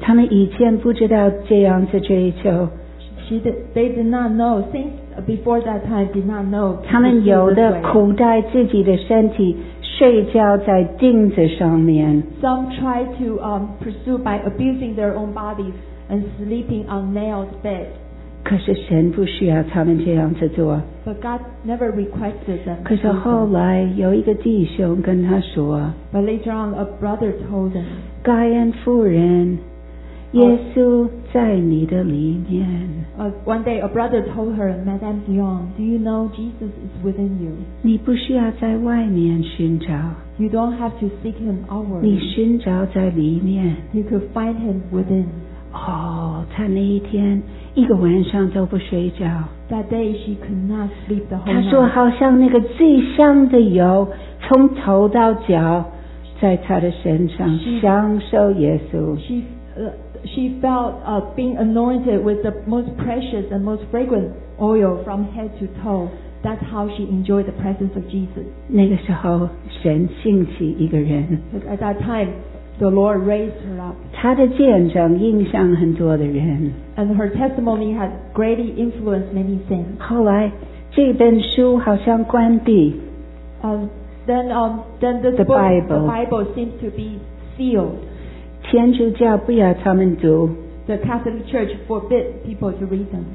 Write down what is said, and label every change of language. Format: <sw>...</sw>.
<zh>他们以前不知道这样子追求。</zh> <en>They did not know. Saints before that time did not know.</en> <zh>他们有的苦待自己的身体，睡觉在钉子上面。</zh> <en>Some try to pursue by abusing their own bodies and sleeping on nailed beds.</en> <zh>可是神不需要他们这样子做。</zh> <en>But God never requested them.</en> <zh>可是后来有一个弟兄跟他说。</zh> <en>But later on, a brother told them.</en> <zh>该恩夫人。耶稣在你的里面。</zh> <en>One day a brother told her, Madame Guillon, do you know Jesus is within you?</en> <zh>你不需要在外面寻找。</zh> <en>You don't have to seek him outward.</en> <zh>你寻找在里面。</zh> <en>You could find him within.</en> <zh>哦，她那一天一个晚上都不睡觉。</zh> <en>That day she could not sleep the whole night.</en> <zh>她说好像那个最香的油从头到脚在她的身上享受耶稣。</zh> <en>She felt being anointed with the most precious and most fragrant oil from head to toe. That's how she enjoyed the presence of Jesus.</en> <zh>那个时候，神兴起一个人。</zh> <en>At that time, the Lord raised her up.</en> <zh>她的见证影响很多的人。</zh> <en>And her testimony has greatly influenced many things.</en> <zh>后来，这本书好像关闭。</zh> <en>Then the Bible seems to be sealed.</en> <zh>天主教不要他们读。</zh> <en>The Catholic Church forbid people to read them.</en>